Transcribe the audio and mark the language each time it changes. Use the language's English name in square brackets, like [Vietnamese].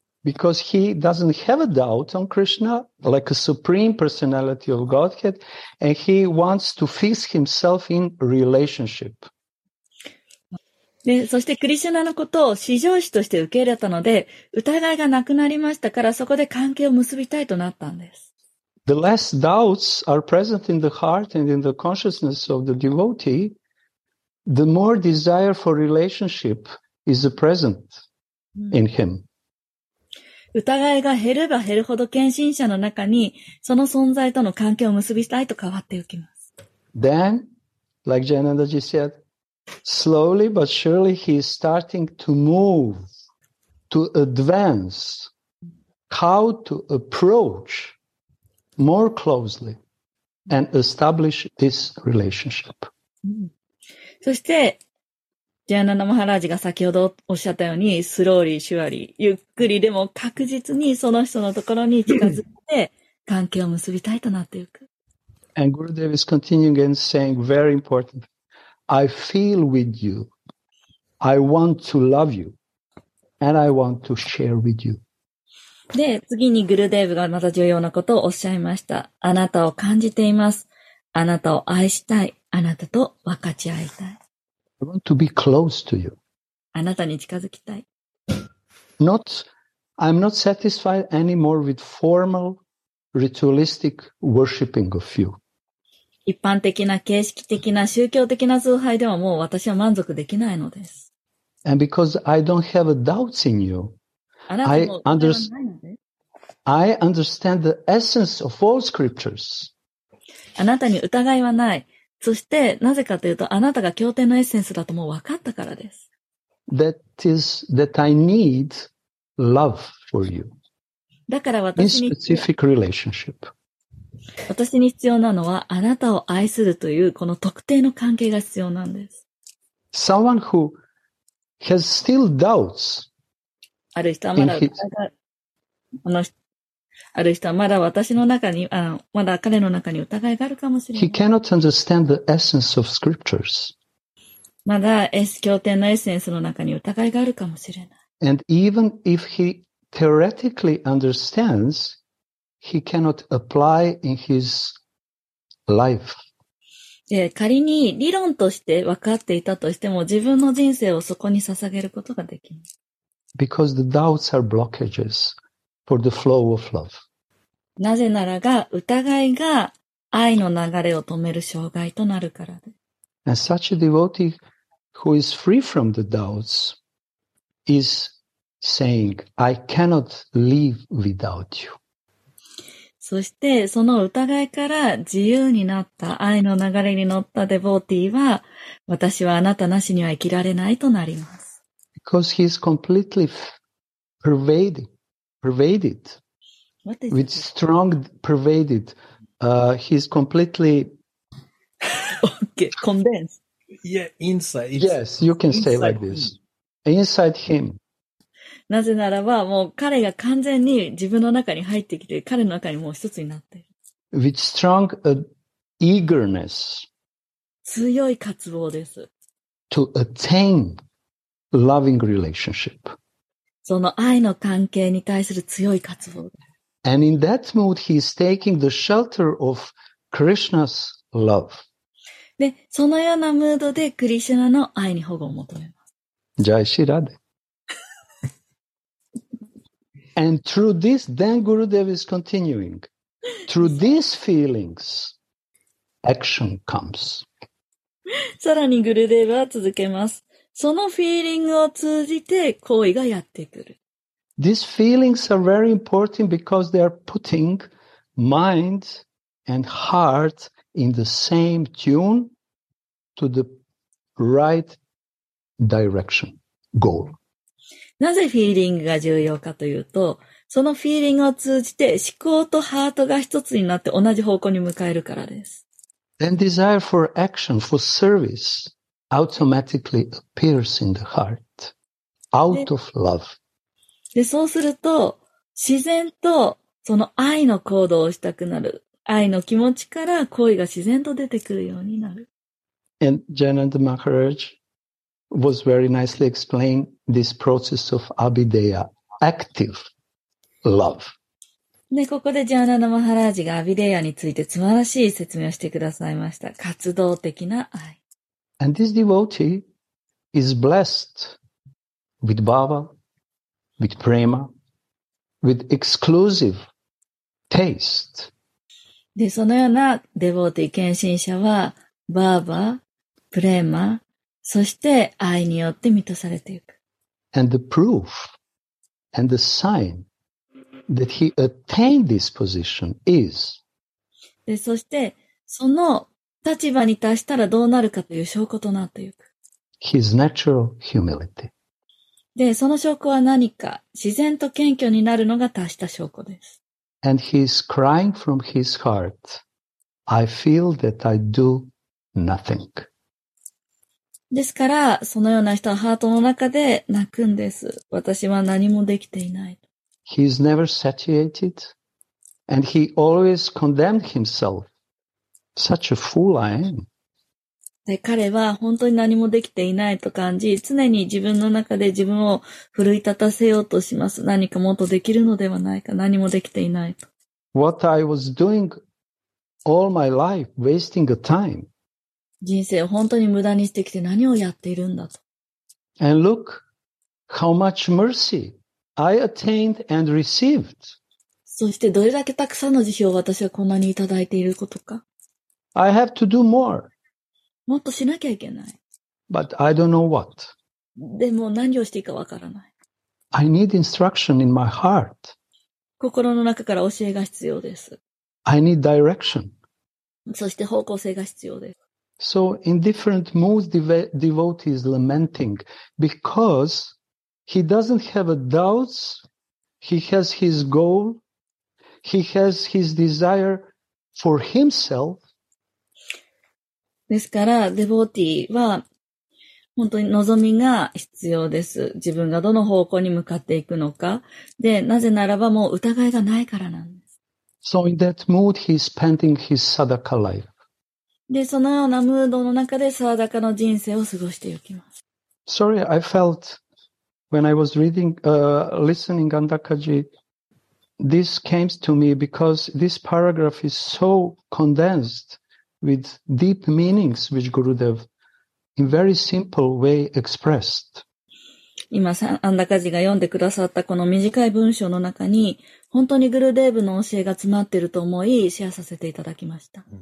[English] Because he doesn't have a doubt on Krishna, like a supreme personality of Godhead, and he wants to fix himself in relationship. [Japanese] で、そしてクリシュナのことを至上主として受け入れたので、疑いがなくなりましたから、そこで関係を結びたいとなったんです。 [English] The less doubts are present in the heart and in the consciousness of the devotee, the more desire for relationship is present in him. [Japanese] 疑いが減れば減るほど、献身者の中に、その存在との関係を結びたいと変わっていきます。 [English] Then, like Jainandaji said,Slowly but surely he is starting to move, to advance, how to approach more closely and establish this relationship. [Japanese] そして、ジャーナナ・マハラージが先ほどおっしゃったように、 [English] スローリー、シュアリー、 [Japanese] ゆっくりでも確実にその人のところに近づいて、関係を結びたいとなっていく。 [English] And Gurudev is continuing and saying very important. I feel with you. I want to love you. And I want to share with you. [Japanese] で、次にグルデーブがまた重要なことをおっしゃいました。あなたを感じています。あなたを愛したい。あなたと分かち合いたい。 [English] I want to be close to you. [Japanese] あなたに近づきたい。 [English] I'm not satisfied anymore with formal ritualistic worshipping of you. [Japanese] 一般的な形式的な宗教的な崇拝ではもう私は満足できないのです。 [English] And because I don't have doubts in you, I understand the essence of all scriptures. [Japanese] あなたに疑いはない。そしてなぜかというとあなたが経典のエッセンスだともう分かったからです。 [English] That is that I need love for you. [Japanese] だから私に [English] In specific relationship. [Japanese] 私に必要なのはあなたを愛するというこの特定の関係が必要なんです。 [English] Someone who has still doubts. [Japanese] ある人はまだ疑い、ある人はまだ私の中に、まだ彼の中に疑いがあるかもしれない。 [English] He cannot understand the essence of scriptures. [Japanese] まだ経典のエッセンスの中に疑いがあるかもしれない。 [English] And even if he theoretically understands, he cannot apply in his life. [Japanese] で、仮に理論として分かっていたとしても、自分の人生をそこに捧げることができない。 [English] Because the doubts are blockages. For the flow of love. [Japanese] なぜならが、疑いが愛の流れを止める障害となるからで。 [English] And such a devotee who is free from the doubts is saying, I cannot live without you. [Japanese] そして、その疑いから自由になった愛の流れに乗ったデボーティーは、私はあなたなしには生きられないとなります。 [English] Because he is completely pervaded. What is Strong pervaded. He's completely. Okay, condensed. Yeah, inside. Yes, you can say like this. Inside him. [Japanese] なぜならば、もう彼が完全に自分の中に入ってきて、彼の中にもう一つになっている。 [English] With strong eagerness. [Japanese] 強い渇望です。 [English] To attain loving relationship. [Japanese] その愛の関係に対する強い渇望。 [English] And in that mood, he is taking the shelter of Krishna's love. [Japanese] で、そのようなムードでクリシュナの愛に保護を求めます。 [Hindi] Jai Shri Radhe. [English] And through this, then Gurudev is continuing. Through these feelings, action comes. [Japanese] さらにグルデーヴは続けます。そのフィーリングを通じて行為がやってくる。 [English] These feelings are very important because they are putting mind and heart in the same tune to the right direction, goal. [Japanese] なぜフィーリングが重要かというと、そのフィーリングを通じて思考とハートが一つになって同じ方向に向かえるからです。 [English] And desire for action, for serviceautomatically appears in the heart, out of love. [Japanese] で、そうすると、自然とその愛の行動をしたくなる。愛の気持ちから恋が自然と出てくるようになる。 [English] And Jananda Maharaj was very nicely explained this process of Abhideya, active love. [Japanese] で、ここでジャーナナ・マハラージがアビデイヤについて素晴らしい説明をしてくださいました。活動的な愛。 [English] And this devotee is blessed with bhava, with prema, with exclusive taste. [Japanese] で、そのようなデボーティー、献身者は、バーバ、プレーマ、そして愛によって満たされていく。 [English] And the proof and the sign that he attained this position is... [Japanese] で、そして、その立場に達したらどうなるかという証拠となっていく。 [English] His natural humility. [Japanese] で、その証拠は何か、自然と謙虚になるのが達した証拠です。 [English] And he is crying from his heart, I feel that I do nothing. [Japanese] ですから、そのような人はハートの中で泣くんです。私は何もできていない。 [English] He is never satiated, and he always condemned himself. Such a fool I am. [Japanese] で、彼は本当に何もできていないと感じ、常に自分の中で自分を奮い立たせようとします。何かもっとできるのではないか、何もできていないと。 [English] What I was doing all my life, wasting a time. [Japanese] 人生を本当に無駄にしてきて何をやっているんだと。 [English] And look how much mercy I attained and received. [Japanese] そしてどれだけたくさんの慈悲を私はこんなにいただいていることか。 [English] I have to do more. [Japanese] もっとしなきゃいけない。 [English] But I don't know what. [Japanese] でも何をしていいかわからない。 [English] I need instruction in my heart. [Japanese] 心の中から教えが必要です。 [English] I need direction. [Japanese] そして方向性が必要です。 [English] So in different moods, devotee is lamenting because he doesn't have a doubts. He has his goal. He has his desire for himself. [Japanese] ですから、デボーティーは、本当に望みが必要です。自分がどの方向に向かっていくのか。で、なぜならばもう疑いがないからなんです。 [English] So in that mood, he's spending his sadhaka life. [Japanese] で、そのようなムードの中でサダカの人生を過ごしていきます。 [English] Sorry, I felt when I was reading, listening Gandhakaji, this came to me because this paragraph is so condensed. With deep meanings, which Gurudev, in very simple way, expressed. [Japanese] 今、アンダカジが読んでくださったこの短い文章の中に、本当にグルデーブの教えが詰まっていると思い、シェアさせていただきました。